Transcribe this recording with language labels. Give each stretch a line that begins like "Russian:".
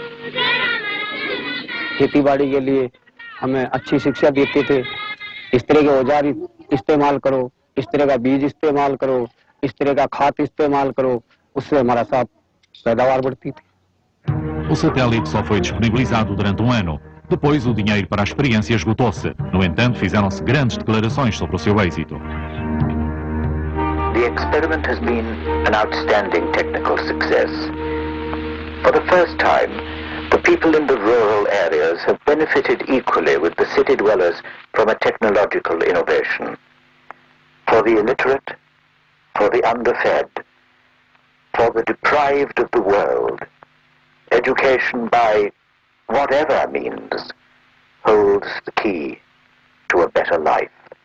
Hindi: खेतीबाड़ी के लिए हमें अच्छी शिक्षा देते थे इस तरह के औजार इस्तेमाल करो इस तरह का बीज इस्तेमाल करो इस तरह का खाद इस्तेमाल करो उससे हमारा सब पैदावार बढ़ती थी।
Portuguese: O satélite só foi disponibilizado durante 1 ano. Depois o dinheiro para a experiência esgotou-se. No entanto, fizeram-se grandes declarações sobre o seu êxito.
English: The experiment has been an outstanding technical success. For the first time, the people in the rural areas have benefited equally with the city dwellers from a technological innovation. For the illiterate, for the underfed, for the deprived of the world, education by whatever means holds the key to a better life.